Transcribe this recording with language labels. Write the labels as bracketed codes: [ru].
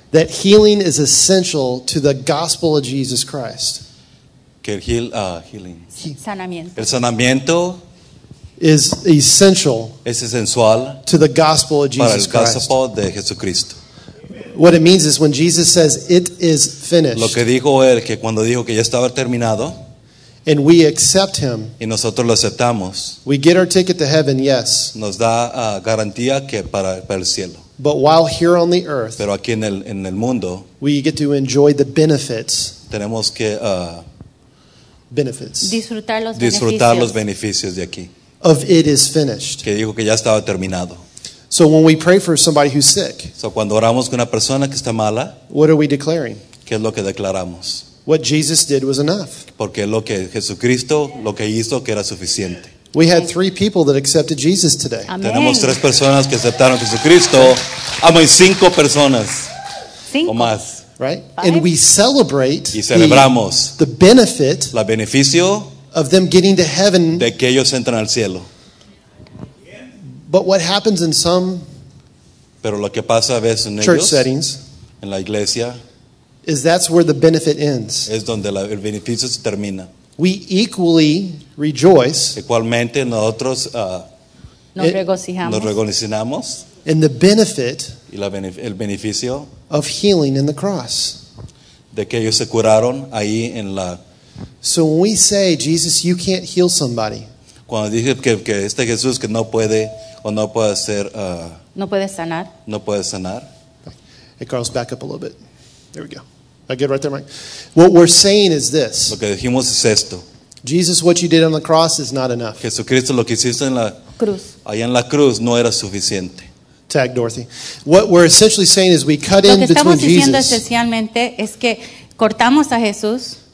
[en] that healing is essential to the gospel of Jesus Christ. [es] Que healing. Sanamiento. El sanamiento [en] is essential [es] es esencial [en] to the gospel of Jesus [es] para el [en] Christ. [es] Gospel de Jesucristo. [en] What it means is when Jesus says it is finished. [es] Lo que dijo él, que cuando dijo que ya estaba terminado, [en] and we accept him. [es] Y nosotros lo aceptamos. [en] We get our ticket to heaven, yes. [es] Nos da garantía que para el cielo. [en] But while here on the earth, [es] pero aquí en el mundo, [en] we get to enjoy the benefits. [es] Tenemos que [en] benefits. [es] Disfrutar los beneficios de aquí. [en] Of it is finished. [es] Que dijo que ya estaba terminado. [en] So when we pray for somebody who's sick, [es] so cuando oramos con una persona que está mala, [en] what are we declaring? [es] ¿Qué es lo que declaramos? [en] What Jesus did was enough. [es] Porque lo que Jesucristo lo que hizo que era suficiente. [en] We had three people that accepted Jesus today. [es] Amén. Tenemos tres personas que aceptaron a Jesucristo. Amén. Cinco personas. Cinco. O más. [en] Right? Five. And we celebrate [es] y celebramos [en] the benefit [es] la beneficio [en] of them getting to heaven. [es] De que ellos entran al cielo. [en] But what happens in some [es] pero lo que pasa a veces en [en] church [es] ellos, [en] settings [es] en la iglesia, [en] is that's where the benefit ends. [es] Es donde el beneficio se termina. [en] We equally rejoice [es] igualmente nosotros, nos regocijamos [en] in the benefit [es] y la el beneficio [en] of healing in the cross. [es] De que ellos se curaron ahí en la. [en] So when we say, Jesus, you can't heal somebody, [es] cuando dije que este Jesús que no puede o no puede hacer no puede sanar. [en] Hey, Carlos, back up a little bit. There we go. I get right there, Mike. What we're saying is this. [es] Lo que dijimos es esto. [en] Jesus, what you did on the cross is not enough. [es] Jesucristo, lo que hiciste en la cruz. Allá en la cruz no era suficiente. [en] Tag Dorothy. What we're essentially saying is we cut in between Jesus. [es] Lo que estamos diciendo esencialmente es que cortamos a Jesús.